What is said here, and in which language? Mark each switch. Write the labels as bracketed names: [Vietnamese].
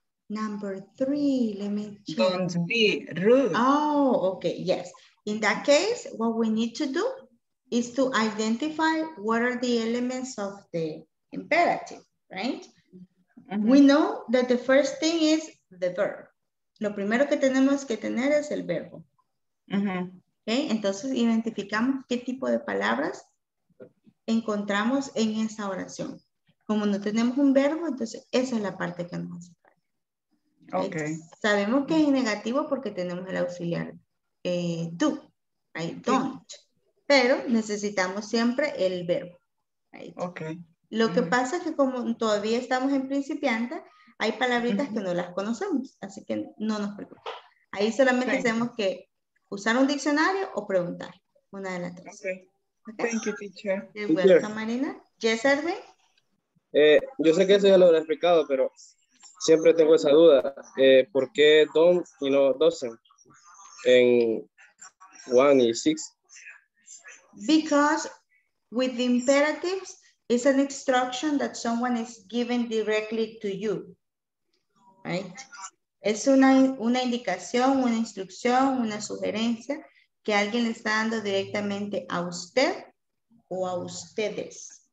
[English] let me check. Don't be rude. Oh, okay, yes. In that case, what we need to do is to identify what are the elements of the imperative, right? Mm-hmm. We know that the first thing is the verb. [Spanish] Lo primero que tenemos que tener es el verbo. Uh-huh. Okay? Entonces, identificamos qué tipo de palabras encontramos en esa oración. Como no tenemos un verbo, entonces esa es la parte que nos hace falta. [English] Okay? [Spanish] Sabemos que es negativo porque tenemos el auxiliar do, right? Don't. Sí. Pero necesitamos siempre el verbo. Right? [English] Okay. [Spanish] Lo que uh-huh. pasa es que como todavía estamos en principiante, hay palabritas uh-huh. que no las conocemos, así que no nos preocupemos. Ahí solamente okay. tenemos que usar un diccionario o preguntar. Una de las tres. [English] Okay. Okay. Thank you, teacher. You're welcome, teacher. Marina. Yes, Edwin. [Spanish] Yo sé que eso ya lo he explicado, pero siempre tengo esa duda. ¿Por qué don't y no doesn't en one y six? [English] Because with the imperatives, it's an instruction that someone is giving directly to you. Right? [Spanish] Es una indicación, una instrucción, una sugerencia que alguien le está dando directamente a usted o a ustedes.